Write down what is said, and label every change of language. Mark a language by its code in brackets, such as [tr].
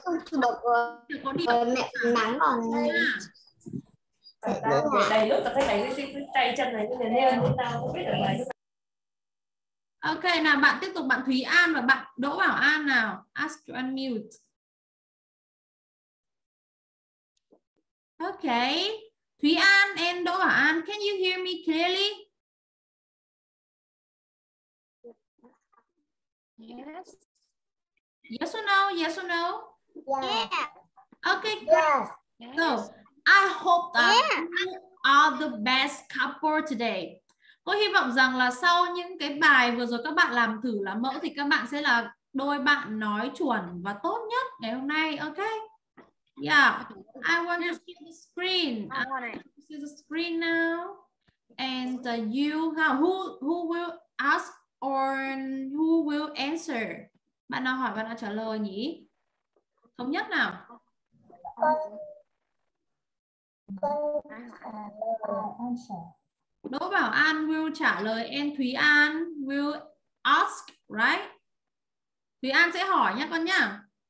[vi] Không chủ động có đi mẹ nắng còn nha. Đây lúc tao phải đánh cái tay chân này như thế nên tao không biết được bài. Ok, nào bạn tiếp tục, bạn Thúy An và bạn Đỗ Bảo An nào. [en] Ask to unmute. Ok, Thúy An and Đỗ Bảo An, can you hear me clearly? Yes. Yes or no? Yes or no? Yeah. Ok, yes. So, I hope that you are the best couple today. [vi] Cô hy vọng rằng là sau những cái bài vừa rồi các bạn làm thử làm mẫu thì các bạn sẽ là đôi bạn nói chuẩn và tốt nhất ngày hôm nay, ok? [en] Yeah, I want to see the screen. I want to see the screen now. And you, who will ask or who will answer? [vi] Bạn nào hỏi, bạn nào trả lời nhỉ? Thống nhất nào? [en] Đỗ Bảo An will [vi] trả lời [en] and Thúy An will ask, right? [vi] Thúy An sẽ hỏi nha con nha.